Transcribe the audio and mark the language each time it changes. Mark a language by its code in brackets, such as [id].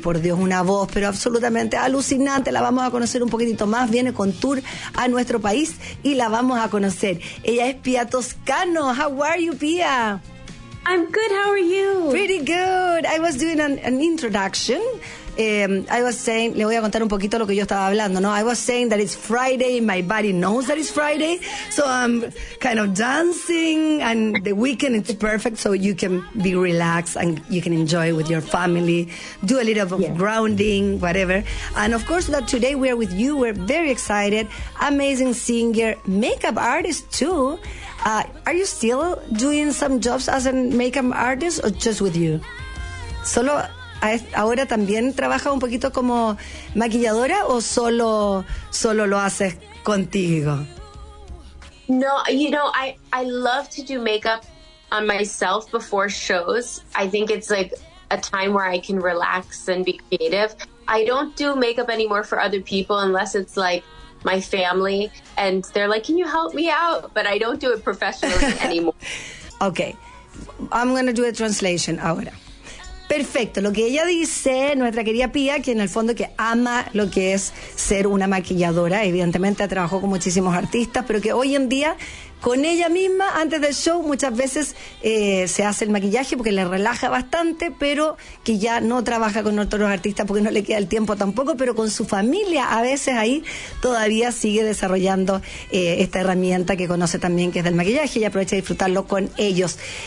[es] Por Dios, una voz, pero absolutamente alucinante. La vamos a conocer un poquitito más. Viene con tour a nuestro país y la vamos a conocer. Ella es [en] Pía Toscano. How are you, Pía? I'm good, how are you? Pretty good. I was doing an introduction. I was saying, [es] le voy a contar un poquito lo que yo estaba hablando, ¿no? [en] I was saying that it's Friday, my body knows that it's Friday, so I'm kind of dancing, and the weekend is perfect, so you can be relaxed and you can enjoy with your family, do a little of grounding, whatever. And of course, that today we are with you, we're very excited, amazing singer, makeup artist too. Are you still doing some jobs as a makeup artist or just with you? [es] Solo... ¿Ahora también trabajas un poquito como maquilladora o solo lo haces contigo? [en] No, you know, I love to do makeup on myself before shows. I think it's like a time where I can relax and be creative. I don't do makeup anymore for other people unless it's like my family and they're like, can you help me out? But I don't do it professionally anymore. Okay, I'm going to do a translation ahora. [es] Perfecto, lo que ella dice, nuestra querida Pía, que en el fondo que ama lo que es ser una maquilladora, evidentemente ha trabajado con muchísimos artistas, pero que hoy en día con ella misma, antes del show, muchas veces se hace el maquillaje porque le relaja bastante, pero que ya no trabaja con otros artistas porque no le queda el tiempo tampoco, pero con su familia a veces ahí todavía sigue desarrollando esta herramienta que conoce también, que es del maquillaje, y aprovecha de disfrutarlo con ellos.